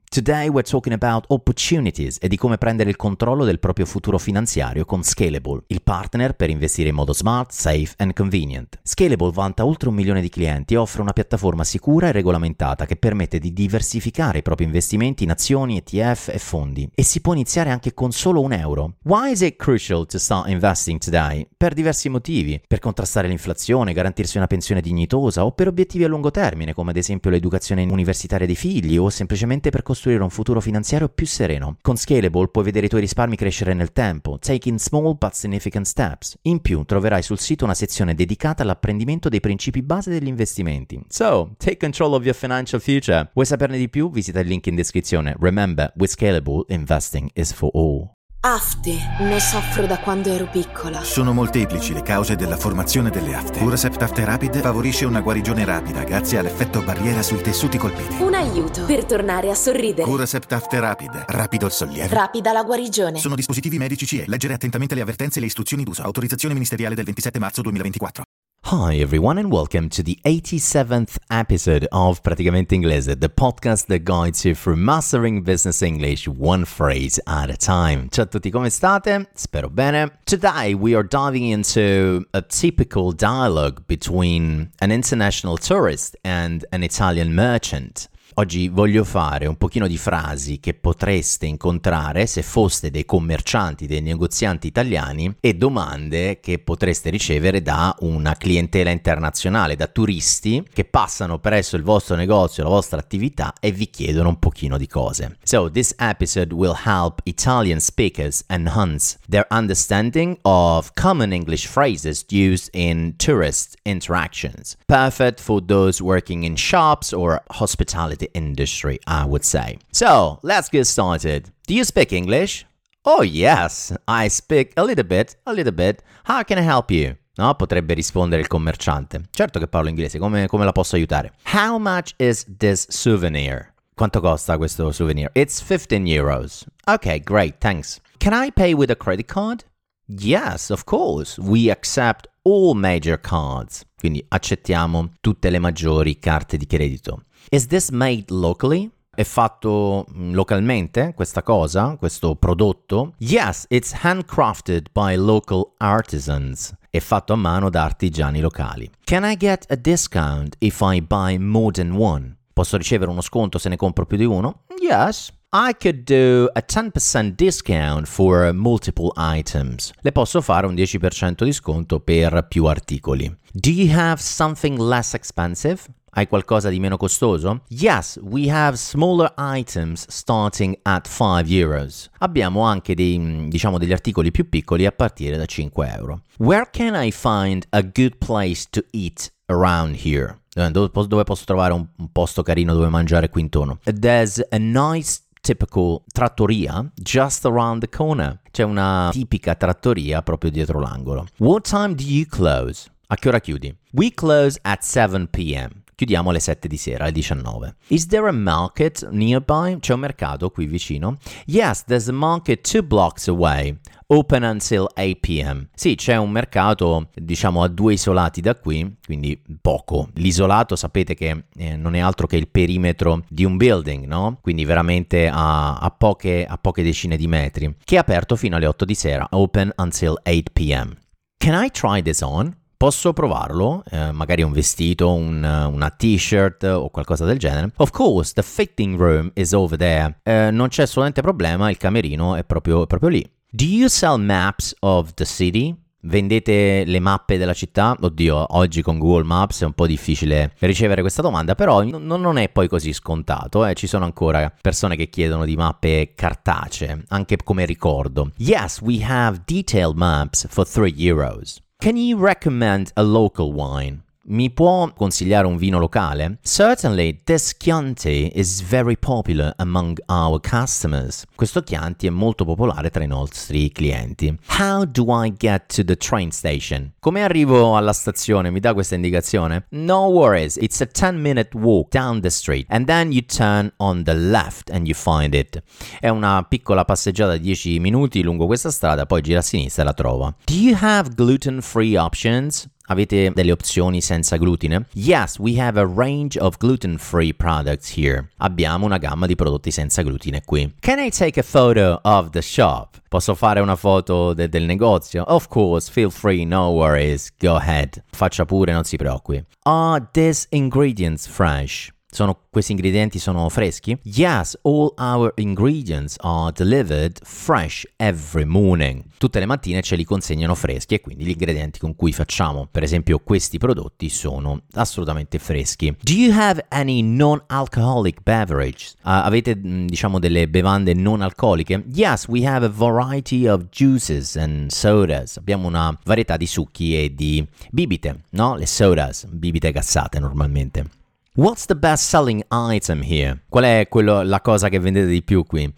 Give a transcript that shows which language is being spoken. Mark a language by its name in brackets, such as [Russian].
[English] Today we're talking about opportunities [Italian] e di come prendere il controllo del proprio futuro finanziario con Scalable, il partner per investire in modo [English] smart, safe and convenient. [Italian] Scalable vanta oltre 1 milione di clienti e offre una piattaforma sicura e regolamentata che permette di diversificare i propri investimenti in azioni, ETF e fondi. E si può iniziare anche con solo un euro. [English] Why is it crucial to start investing today? [Italian] Per diversi motivi. Per contrastare l'inflazione, garantirsi una pensione dignitosa o per obiettivi a lungo termine, come ad esempio l'educazione universitaria dei figli o semplicemente per costruire un futuro finanziario più sereno. Con Scalable puoi vedere i tuoi risparmi crescere nel tempo, [English] taking small but significant steps. [Italian] In più, troverai sul sito una sezione dedicata all'apprendimento dei principi base degli investimenti. [English] So, take control of your financial future. [Italian] Vuoi saperne di più? Visita il link in descrizione. [English] Remember, with Scalable, investing is for all. [Italian] Afte. Ne soffro da quando ero piccola. Sono molteplici le cause della formazione delle afte. Curasept Afte Rapid favorisce una guarigione rapida grazie all'effetto barriera sui tessuti colpiti. Un aiuto per tornare a sorridere. Curasept Afte Rapid. Rapido il sollievo. Rapida la guarigione. Sono dispositivi medici CE. Leggere attentamente le avvertenze e le istruzioni d'uso. Autorizzazione ministeriale del 27 marzo 2024. [English] Hi everyone and welcome to the 87th episode of Praticamente Inglese, the podcast that guides you through mastering business English one phrase at a time. [Italian] Ciao a tutti, come state? Spero bene. [English] Today we are diving into a typical dialogue between an international tourist and an Italian merchant. [Italian] Oggi voglio fare un pochino di frasi che potreste incontrare se foste dei commercianti, dei negozianti italiani e domande che potreste ricevere da una clientela internazionale, da turisti che passano presso il vostro negozio, la vostra attività e vi chiedono un pochino di cose. [English] So, this episode will help Italian speakers enhance their understanding of common English phrases used in tourist interactions. Perfect for those working in shops or hospitality. The industry, I would say. So, let's get started. Do you speak English? Oh yes, I speak a little bit. How can I help you? [Italian] No, potrebbe rispondere il commerciante. Certo che parlo inglese, come la posso aiutare? [English] How much is this souvenir? [Italian] Quanto costa questo souvenir? [English] It's 15 euros. Okay, great, thanks. Can I pay with a credit card? Yes, of course. We accept all major cards. [Italian] Quindi accettiamo tutte le maggiori carte di credito. [English] Is this made locally? [Italian] È fatto localmente questa cosa, questo prodotto? [English] Yes, it's handcrafted by local artisans. [Italian] È fatto a mano da artigiani locali. [English] Can I get a discount if I buy more than one? [Italian] Posso ricevere uno sconto se ne compro più di uno? [English] Yes. I could do a 10% discount for multiple items. [Italian] Le posso fare un 10% di sconto per più articoli. [English] Do you have something less expensive? [Italian] Hai qualcosa di meno costoso? [English] Yes, we have smaller items starting at 5 euros. [Italian] Abbiamo anche dei, diciamo, degli articoli più piccoli a partire da 5 euro. [English] Where can I find a good place to eat around here? [Italian] Dove posso trovare un posto carino dove mangiare qui intorno? [English] There's a nice typical trattoria just around the corner. [Italian] C'è una tipica trattoria proprio dietro l'angolo. [English] What time do you close? [Italian] A che ora chiudi? [English] We close at 7 p.m. [Italian] Chiudiamo alle 7 di sera, alle 19. [English] Is there a market nearby? [Italian] C'è un mercato qui vicino? [English] Yes, there's a market 2 blocks away, open until 8 p.m. [Italian] Sì, c'è un mercato, diciamo, a 2 isolati da qui, quindi poco. L'isolato, sapete che non è altro che il perimetro di un building, no? Quindi veramente a poche decine di metri, che è aperto fino alle 8 di sera, [English] open until 8 p.m. Can I try this on? [Italian] Posso provarlo, magari un vestito, una t-shirt o qualcosa del genere. [English] Of course, the fitting room is over there. [Italian] Non c'è assolutamente problema, il camerino è proprio lì. [English] Do you sell maps of the city? [Italian] Vendete le mappe della città? Oddio, oggi con Google Maps è un po' difficile ricevere questa domanda, però non è poi così scontato. Ci sono ancora persone che chiedono di mappe cartacee, anche come ricordo. [English] Yes, we have detailed maps for 3 euros. Can you recommend a local wine? [Italian] Mi può consigliare un vino locale? [English] Certainly, this Chianti is very popular among our customers. [Italian] Questo Chianti è molto popolare tra i nostri clienti. [English] How do I get to the train station? [Italian] Come arrivo alla stazione? Mi dà questa indicazione? [English] No worries, it's a 10-minute walk down the street and then you turn on the left and you find it. [Italian] È una piccola passeggiata di 10 minuti lungo questa strada, poi gira a sinistra e la trova. [English] Do you have gluten-free options? [Italian] Avete delle opzioni senza glutine? [English] Yes, we have a range of gluten-free products here. [Italian] Abbiamo una gamma di prodotti senza glutine qui. [English] Can I take a photo of the shop? [Italian] Posso fare una foto del negozio? [English] Of course, feel free, no worries, go ahead. [Italian] Faccia pure, non si preoccupi. [English] Are these ingredients fresh? [Italian] Questi ingredienti sono freschi? [English] Yes, all our ingredients are delivered fresh every morning. [Italian] Tutte le mattine ce li consegnano freschi e quindi gli ingredienti con cui facciamo, per esempio, questi prodotti sono assolutamente freschi. [English] Do you have any non-alcoholic beverages? [Italian] Avete, diciamo, delle bevande non alcoliche? [English] Yes, we have a variety of juices and sodas. [Italian] Abbiamo una varietà di succhi e di bibite, no? Le sodas, bibite gassate normalmente. [English] What's the best selling item here? [Italian] Qual è la cosa che vendete di più qui?